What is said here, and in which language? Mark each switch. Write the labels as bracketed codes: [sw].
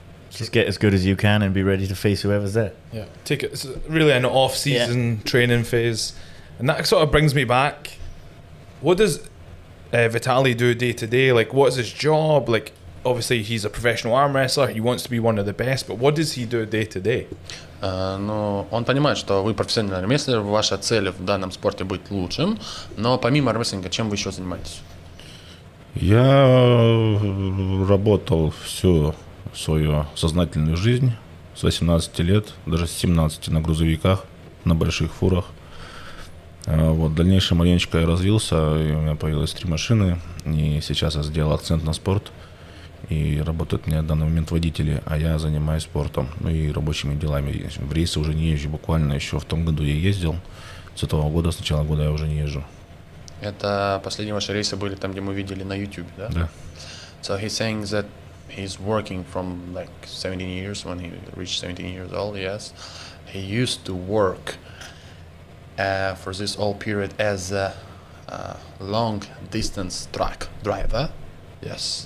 [en] Just get as good as you can and be ready to face whoever's there. Yeah, take it. It's really an off-season training phase. And that sort of brings me back. What does Vitaly do day to day? Like, what's his job? Like, obviously, he's a professional arm wrestler. He wants to be one of the best. But what does he do day to day? [ru] Ну, он понимает, что вы профессиональный армрестлер, ваша цель в данном спорте быть лучшим. Но помимо армрестлинга, чем вы еще занимаетесь? Я работал всю свою сознательную жизнь с 18 лет, даже с 17 на грузовиках, на больших фурах. Вот, в дальнейшем маленечко я развился, и у меня появилось 3 машины, и сейчас я сделал акцент на спорт, и работают у меня в данный момент водители, а я занимаюсь спортом, ну и рабочими делами. В рейсы уже не езжу, буквально еще в том году я ездил, с этого года, с начала года я уже не езжу. Это последние ваши рейсы были там, где мы видели на YouTube, да? Да. [en] So he's saying that he's working from like 17 years, when he reached 17 years old, yes. He used to work for this whole period as a long distance truck driver, Yes.